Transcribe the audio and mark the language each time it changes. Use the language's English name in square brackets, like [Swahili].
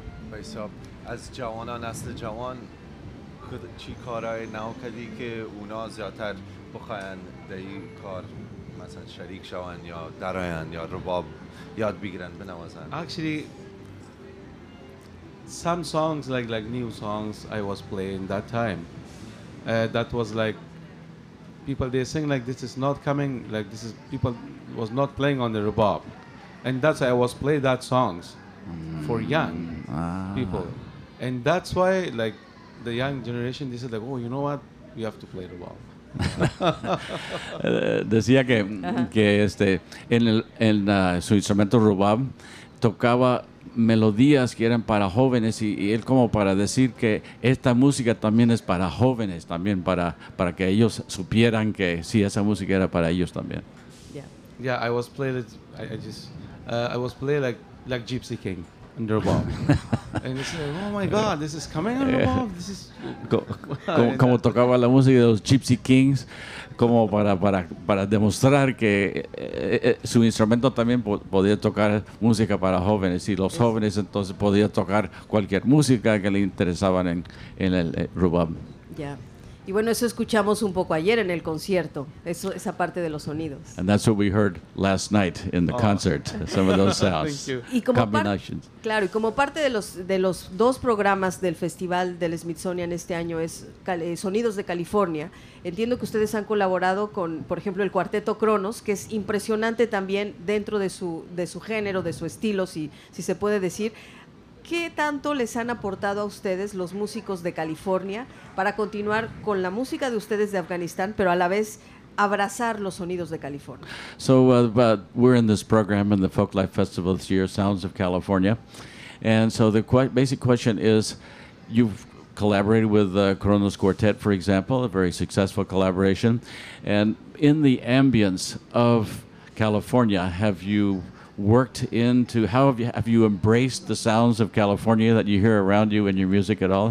[English] Myself, as Jawan and as the Jawan, [Persian] چی کارای ناو کدی که اونا زیادتر بخواین در این کار مثلا شریک شوند یا درآیند یا رباب یاد بگیرند بنوازند. [English] Actually, some songs like new songs I was playing that time, that was like people they sing like this is not coming, like this is people was not playing on the rebab, and that's why I was playing that songs for young people, and that's why like the young generation they said like, oh, you know what, we have to play rebab. [Spanish] Decía que su instrumento rebab tocaba melodías que eran para jóvenes y él como para decir que esta música también es para jóvenes también para que ellos supieran que sí, esa música era para ellos también. [English] Yeah, I was playing it, I was playing like Gypsy King under bomb. And it's like, oh my god, this is coming under bomb. This is [Spanish] como tocaba la música de los Gypsy Kings como para demostrar que su instrumento también podía tocar música para jóvenes, y los jóvenes entonces podían tocar cualquier música que le interesaban en el rubab. Ya. Y bueno, eso escuchamos un poco ayer en el concierto, esa parte de los sonidos. [English] And that's what we heard last night in the concert, some of those sounds. [Spanish] Y como [English] combinations. [Spanish] Claro, y como parte de los dos programas del Festival del Smithsonian este año es Sonidos de California, entiendo que ustedes han colaborado con, por ejemplo, el Cuarteto Cronos, que es impresionante también dentro de su género, de su estilo, si se puede decir. ¿Qué tanto les han aportado a ustedes los músicos de California para continuar con la música de ustedes de Afganistán, pero a la vez abrazar los sonidos de California? [English] So, but we're in this program in the Folklife Festival this year, Sounds of California. And so the basic question is, you've collaborated with Coronas Quartet, for example, a very successful collaboration. And in the ambience of California, have you worked into, have you embraced the sounds of California that you hear around you in your music at all?